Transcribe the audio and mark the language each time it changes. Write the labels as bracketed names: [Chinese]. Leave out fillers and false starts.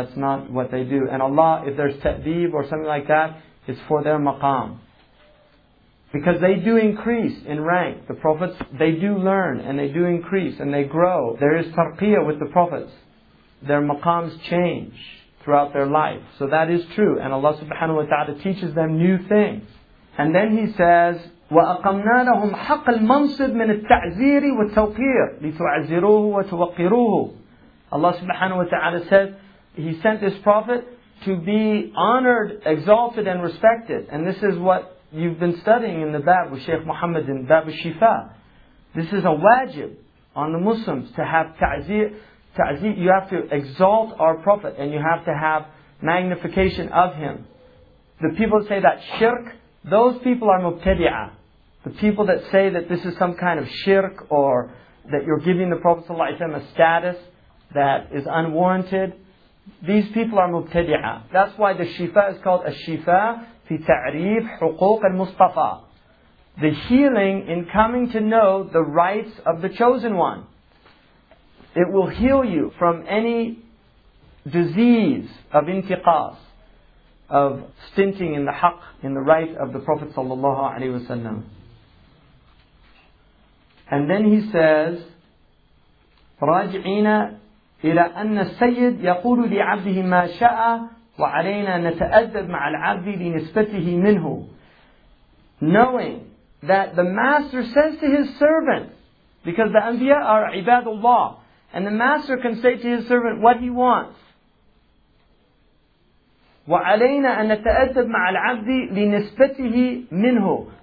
[English] That's not what they do. And Allah, if there's ta'dib or something like that, it's for their maqam. Because they do increase in rank. The prophets, they do learn, and they do increase, and they grow. There is tarqiyah with the prophets. Their maqams change throughout their life. So that is true. And Allah subhanahu wa ta'ala teaches them new things. [Arabic] And then He says, وَأَقَمْنَا لَهُمْ حَقَّ الْمَنْصِبِ مِنَ التَّعْزِيرِ وَالتَّوْقِيرِ لِتُعَزِّرُوهُ وَتُوَقِّرُوهُ. [English] Allah subhanahu wa ta'ala says, He sent this prophet to be honored, exalted and respected. And this is what you've been studying in the Bab with Shaykh Muhammad in Bab al-Shifa. This is a wajib on the Muslims to have ta'zir. You have to exalt our Prophet and you have to have magnification of him. The people say that shirk, those people are mubtadi'ah. The people that say that this is some kind of shirk or that you're giving the Prophet ﷺ a status that is unwarranted, these people are mubtadi'ah. That's why the shifa is called a shifa fi ta'rif huquq al-mustafa. The healing in coming to know the rights of the chosen one. It will heal you from any disease of intiqas, of stinting in the haqq, in the right of the Prophet sallallahu alaihi wasallam. [Arabic] And then he says, رَاجِعِينَ إِلَىٰ أَنَّ السَّيِّدِ يَقُولُ لِعَبْدِهِ مَا شَاءَ وَعَلَيْنَا نَتَأَدَّبْ مَعَ الْعَبْدِ لِنِسْبَتِهِ مِنْهُ. [English] Knowing that the master says to his servant, because the anbiya are ibadullah, and the master can say to his servant what he wants. [Arabic] وَعَلَيْنَا أَن نَتَأَدَّبْ مَعَ الْعَبْدِ لِنِسْبَتِهِ مِنْهُ.